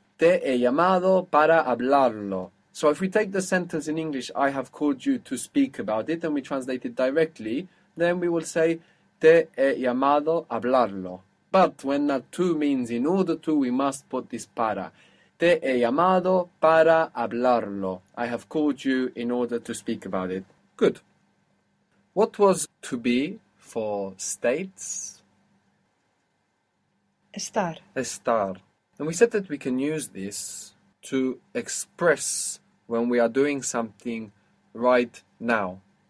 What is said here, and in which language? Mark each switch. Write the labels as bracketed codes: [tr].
[es] Te he llamado para hablarlo. [en] So if we take the sentence in English, I have called you to speak about it, and we translate it directly, then we will say, [es] te he llamado hablarlo. [en] But when that to means in order to, we must put this para. [es] Te he llamado para hablarlo. [en] I have called you in order to speak about it. Good. What was to be for states? [es] Estar. Estar. [en] And we said that we can use this to express when we are doing something right now.